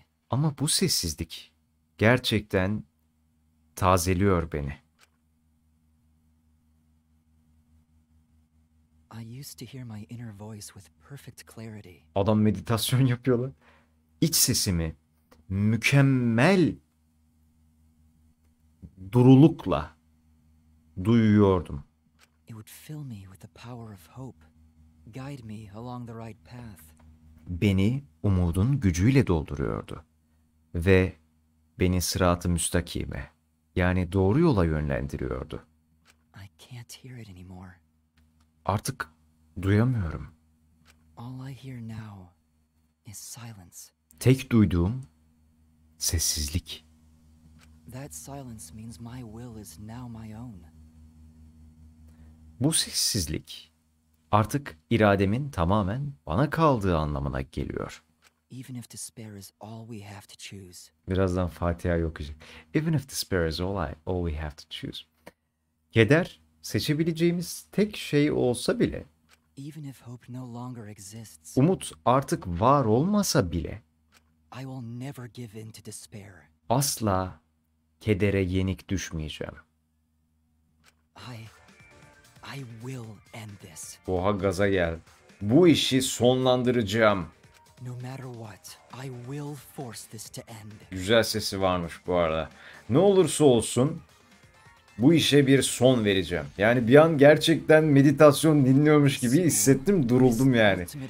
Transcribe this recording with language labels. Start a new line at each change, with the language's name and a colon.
Turkish: Ama bu sessizlik gerçekten tazeliyor beni.
English: I used to hear my inner voice with perfect clarity.
Turkish: Adam meditasyon yapıyor lan. İç sesimi mükemmel durulukla duyuyordum.
English: It would fill me with the power of hope, guide me along the right path.
Turkish: Beni umudun gücüyle dolduruyordu ve beni sırat-ı müstakime, yani doğru yola yönlendiriyordu.
English: I can't hear it anymore.
Turkish: Artık duyamıyorum.
English: All I hear now is silence.
Turkish: Tek duyduğum sessizlik.
English: That silence means my will is now my own.
Turkish: Bu sessizlik artık irademin tamamen bana kaldığı anlamına geliyor.
English: Even if despair is all we have to choose.
Turkish: Birazdan Fatih'e okuyacak.
English: Even if despair is all we have to choose.
Turkish: Keder seçebileceğimiz tek şey olsa bile.
English: Even if hope no longer exists.
Turkish: Umut artık var olmasa bile.
English: I will never give in to despair.
Turkish: Asla kedere yenik düşmeyeceğim.
English: I will end this.
Turkish: Oha gaza gel. Bu işi sonlandıracağım.
English: No matter what, I will force this to end.
Turkish: Güzel sesi varmış bu arada. Ne olursa olsun bu işe bir son vereceğim. Yani bir an gerçekten meditasyon dinliyormuş gibi hissettim, duruldum yani.